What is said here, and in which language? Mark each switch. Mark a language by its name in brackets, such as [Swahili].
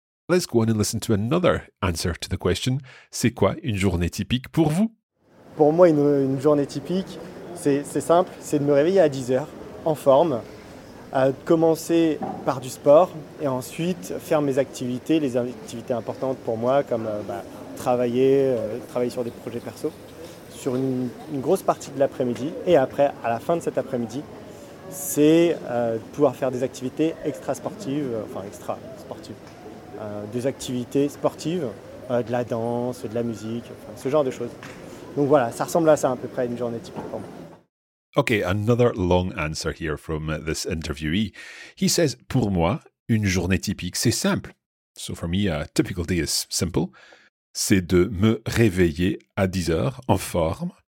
[English] Let's go on and listen to another answer to the question. [French] C'est quoi une journée typique pour vous? Pour moi, une journée typique... C'est simple, c'est de me réveiller à 10 heures, en forme, commencer par du sport et ensuite faire mes activités, les activités importantes pour moi, comme travailler sur des projets perso, sur une grosse partie de l'après-midi. Et après, à la fin de cet après-midi, c'est de pouvoir faire des activités extra-sportives, de la danse, de la musique, enfin, ce genre de choses. Donc voilà, ça ressemble à ça à peu près, une journée typique pour moi. [English] Okay, another long answer here from this interviewee. He says, [French] pour moi, une journée typique, c'est simple. [English] So for me, a typical day is simple. [French] C'est de me réveiller à 10 heures, en forme.